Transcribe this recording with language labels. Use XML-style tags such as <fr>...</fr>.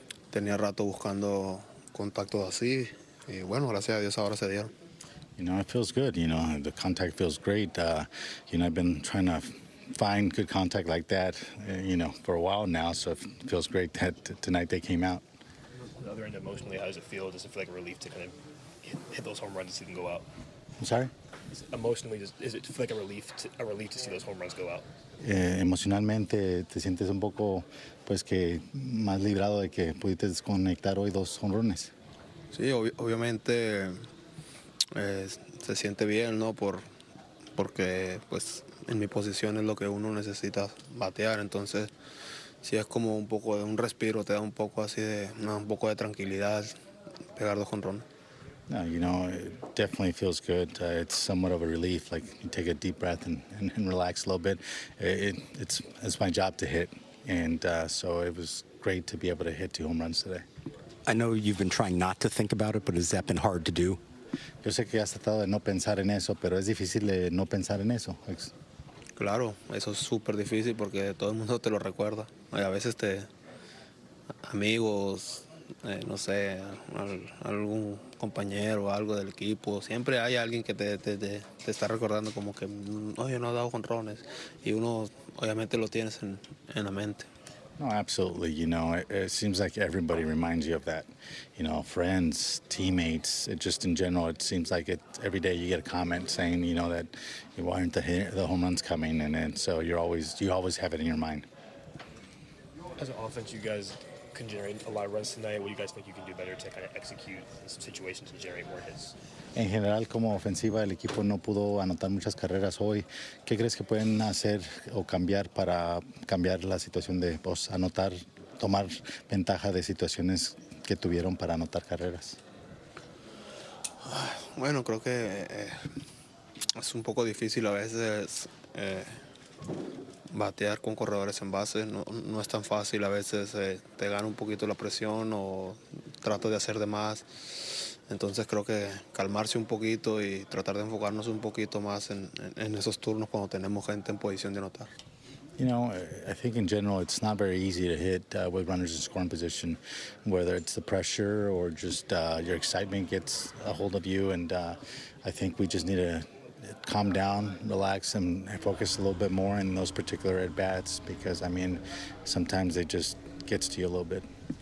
<es>Tenía rato buscando contactos así, y bueno, gracias a Dios ahora se dieron.</es> <en>You know, it feels good. You know, the contact feels great. You know, I've been trying to find good contact like that, you know, for a while now, so it feels great that tonight they came out. On the other end, emotionally, how does it feel? Does it feel like a relief to kind of hit those home runs and see them go out? I'm sorry? Is it like a relief to see those home runs go out?</en> <es>Emocionalmente, te sientes un poco, pues, que más librado de que pudiste desconectar hoy dos jonrones. Sí, obviamente, se siente bien, ¿no? Porque, pues, en mi posición es lo que uno necesita batear. Entonces, sí es como un poco de un respiro, te da un poco así de, no, un poco de tranquilidad pegar dos jonrones.</es> <en>No, you know, it definitely feels good. It's somewhat of a relief. Like, you take a deep breath and relax a little bit. It's my job to hit. And so it was great to be able to hit two home runs today. I know you've been trying not to think about it, but has that been hard to do?</en> <es>Yo sé que has tratado de no pensar en eso, pero es difícil de no pensar en eso. Claro, eso es súper difícil porque todo el mundo te lo recuerda. Y a veces te... amigos, no sé, algún compañero o algo del equipo. Siempre hay alguien que te está recordando como que, oye, no ha dado jonrones. Y uno obviamente lo tienes en la mente.</es> <en>No, absolutely. You know, it seems like everybody reminds you of that. You know, friends, teammates, just in general, it seems like it. Every day you get a comment saying, you know, that why aren't the home runs coming? And so you always have it in your mind. As an offense, you guys can generate a lot of runs tonight. What do you guys think you can do better to kind of execute in some situations and generate more hits?</en> <es>En general, como ofensiva, el equipo no pudo anotar muchas carreras hoy. ¿Qué crees que pueden hacer o cambiar para cambiar la situación de pues, anotar, tomar ventaja de situaciones que tuvieron para anotar carreras? Bueno, creo que es un poco difícil a veces batear con corredores en base. No es tan fácil. A veces te gana un poquito la presión o trato de hacer de más. Entonces creo que calmarse un poquito y tratar de enfocarnos un poquito más en esos turnos cuando tenemos gente en posición de anotar.</es> <en>You know, I think in general it's not very easy to hit with runners in scoring position, whether it's the pressure or just your excitement gets a hold of you. And I think we just need to calm down, relax, and focus a little bit more in those particular at-bats because, I mean, sometimes it just gets to you a little bit.</en>